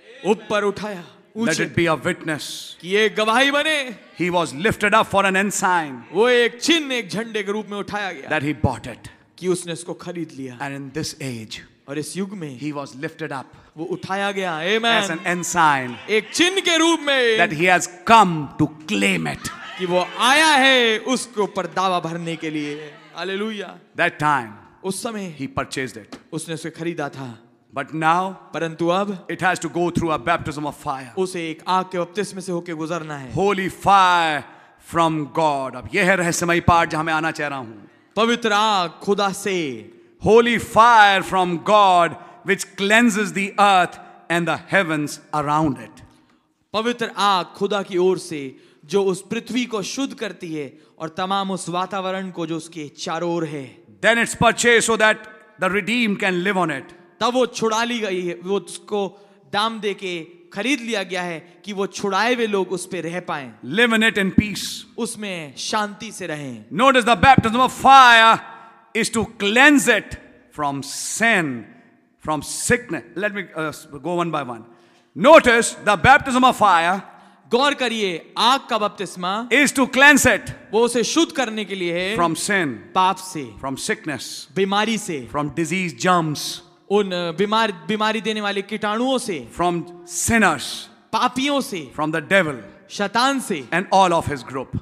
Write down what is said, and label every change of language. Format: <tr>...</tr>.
<hi>ऊपर उठाया,</hi> <en>let it be a witness,</en> <hi>कि ये गवाही बने।</hi> <en>he was lifted up for an ensign,</en> <hi>वो एक चिन्ह, एक झंडे के रूप में उठाया गया।</hi> <en>that he bought it,</en> <hi>कि उसने इसको खरीद लिया।</hi> <en>and in this age,</en> <hi>और इस युग में,</hi> <en>he was lifted up,</en> <hi>वो उठाया गया, amen,</hi> <en>as an ensign,</en> <hi>एक चिन्ह के रूप में,</hi> <en>that he has come to claim it,</en> <hi>कि वो आया है उसके ऊपर दावा भरने के लिए, hallelujah,</hi> <en>that time,</en> <hi>उस समय,</hi> <en>he purchased it,</en> <hi>उसने उसे खरीदा था,</hi> <en>but now,</en> <hi>परंतु अब,</hi> <en>it has to go through a baptism of fire,</en> <hi>उसे एक आग के बपतिस्मे से होके गुजरना है,</hi> <en>holy fire from God,</en> <hi>अब यह है रहस्यमय पार्ट जहां मैं आना चाह रहा हूं, पवित्र आग खुदा से,</hi> <en>holy fire from God, which cleanses the earth and the heavens around it.</en> <hi>पवित्र आग खुदा की ओर से जो उस पृथ्वी को शुद्ध करती है और तमाम उस वातावरण को जो उसके चारों ओर है.</hi> <en>Then it's purchased so that the redeemed can live on it.</en> <hi>तब वो छुड़ा ली गई है, वो उसको दाम देके खरीद लिया गया है कि वो छुड़ाए हुए लोग उस पे रह पाएं.</hi> <en>Live in it in peace.</en> <hi>उसमें शांति से रहें.</hi> <en>Notice the baptism of fire is to cleanse it from sin, from sickness. Let me go one by one. Notice the baptism of fire.</en> <hi>गौर करिए आग का बपतिस्मा.</hi> <en>Is to cleanse it.</en> <hi>वो उसे शुद्ध करने के लिए है.</hi> <en>From sin.</en> <hi>पाप से.</hi> <en>From sickness.</en> <hi>बीमारी से.</hi> <en>From disease germs.</en> <hi>उन बीमारी देने वाले कीटाणुओं से.</hi> <en>From sinners.</en> <hi>पापियों से.</hi> <en>From the devil.</en> <hi>शैतान से.</hi> <en>And all of his group.</en>